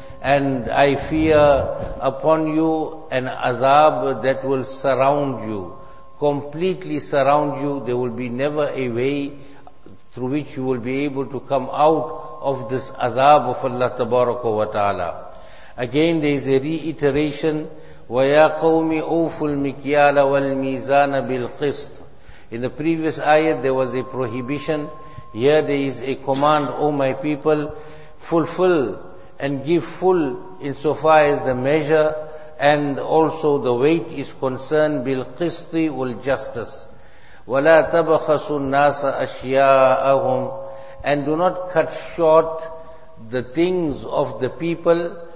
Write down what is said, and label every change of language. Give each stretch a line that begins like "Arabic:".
English: And I fear upon you an azab that will surround you, completely surround you. There will be never a way through which you will be able to come out of this azab of Allah tabaraka wa ta'ala. Again, there is a reiteration.
Arabic: وَيَا قَوْمِ أَوْفُ الْمِكْيَالَ وَالْمِيزَانَ بِالْقِسْطِ.
English: In the previous ayat, there was a prohibition. Here there is a command, O my people, fulfill and give full insofar as the measure and also the weight is concerned, bil qisti wal justice.
Arabic: وَلَا تَبَخَسُ النَّاسَ أَشْيَاءَهُمْ,
English: and do not cut short the things of the people.